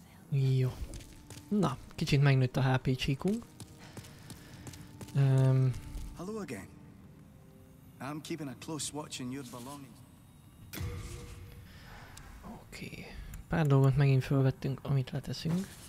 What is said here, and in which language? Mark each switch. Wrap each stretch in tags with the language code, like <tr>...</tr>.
<hu>Jó. Na, kicsit megnőtt a HP csíkunk.</hu> <en>Hello again. I'm keeping a close watch on your belongings.</en> <hu>Oké. Pár dolgot megint felvettünk, amit leteszünk.</hu>